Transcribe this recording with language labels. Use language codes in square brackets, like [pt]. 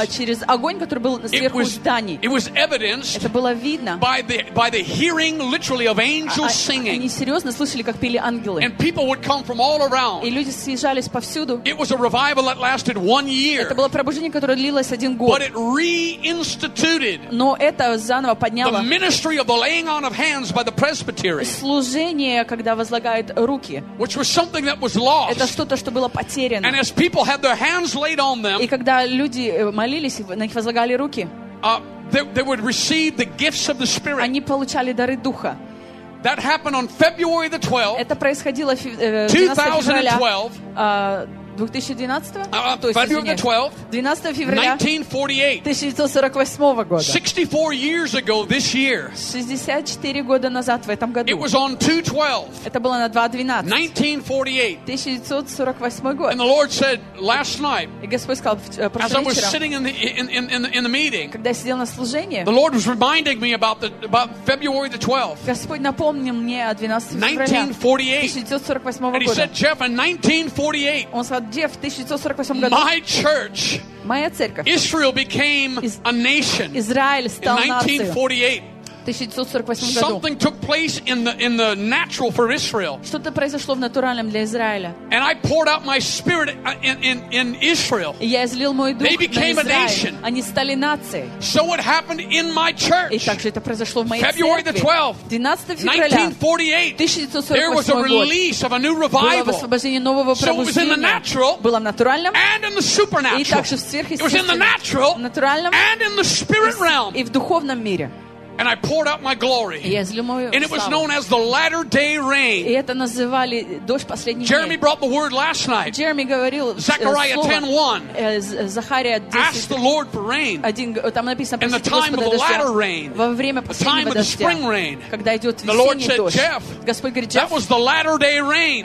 [ru] Через огонь, который был сверху зданий. [en] It was evidenced. [ru] Это было видно. [en] By the hearing, literally, of angels singing. [ru] Они серьезно слышали, как пели ангелы. [en] And people would come from all around. [ru] И люди съезжались повсюду. [en] It was a revival that lasted 1 year. [ru] Это было пробуждение, которое длилось один год. [en] But it reinstituted. [ru] Но это заново подняло. [en] The ministry of the laying on of hands by the presbytery. [ru] Служение, когда возлагают руки. [en] Which was something that was lost. [ru] Это что-то, что было потеряно. [en] And as people had their hands laid on them. [ru] И когда люди молились, на них возлагали руки. [en] They would receive the gifts of the Spirit. [ru] Они получали дары духа. [en] That happened on February the 12th. [ru] Это происходило 12 февраля 1948 года. [en] 64 years ago this year. [ru] 64 года назад в этом году. [en] It was on 2/12. [ru] Это было на 2/12. 1948 год. [en] And the Lord said last night. [ru] И Господь сказал прошлым вечером. [en] As I was sitting in the meeting. [ru] Когда я сидел на служении. [en] The Lord was reminding me about February the 12th. [ru] Господь напомнил мне о 12 февраля 1948 года. [en] And He said, Jeff, in 1948. [ru] Jeff, 1948 году. [en] My church, [ru] моя церковь, [en] Israel became a nation. [ru] Израиль стал нацией. In 1948 году. [en] Something took place in the natural for Israel. [ru] Что-то произошло в натуральном для Израиля. [en] And I poured out my spirit in Israel. [ru] Я излил мой дух. [en] They became [ru] на Израиль. [en] A nation. [ru] Они стали нацией. [en] So what happened in my church? [ru] И так же это произошло в моей [en] February [ru] церкви. [en] February the 12th. [ru] 12 февраля. 1948. 1948 [en] there was a release of a new revival. [ru] Было освобождение нового пробуждения. [en] So it was in the natural. [ru] Было в натуральном. [en] And in the supernatural. [ru] И также в сверхъестественном. [en] It was in the natural. [ru] В натуральном. [en] And in the spirit realm. [ru] И в духовном мире. [en] And I poured out my glory. And it was known as the latter day rain. [ru] И это называли дождь последних дней. [en] Jeremy brought the word last night. [ru] Jeremy говорил [en] Zechariah 10:1. [ru] Захария 10:1. [en] Ask the Lord for rain. [ru] Один там написано [en] in the time of the latter rain. [ru] Во время последнего дождя. [en] The spring rain. [ru] Когда идет весенний [en] The Lord said, [ru] дождь. [en] Jeff. [ru] Господь говорит, Jeff. [en] That was the latter day rain.